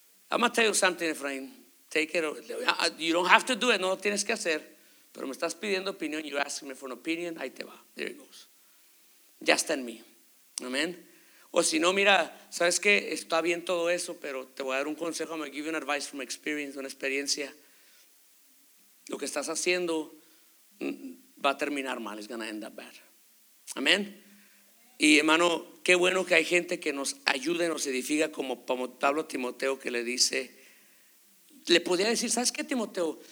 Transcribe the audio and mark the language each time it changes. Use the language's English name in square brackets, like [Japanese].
[English] I'm going to tell you something, Efraín. Take it. You don't have to do it. [Spanish] No lo tienes que hacer. Pero me estás pidiendo opinión. [English] You're asking me for an opinion. [Spanish] Ahí te va. [English] There it goes. [Spanish] Ya está en mí. Amén. O si no, mira, ¿sabes qué? Está bien todo eso, pero te voy a dar un consejo. [English] I'm going to give you an advice from experience, [Spanish] una experiencia. Lo que estás haciendo va a terminar mal. [English] It's going to end up bad. [Spanish] Amén. Y hermano, qué bueno que hay gente que nos ayuda y nos edifica, como Pablo Timoteo, que le dice, le podría decir, ¿sabes qué, Timoteo?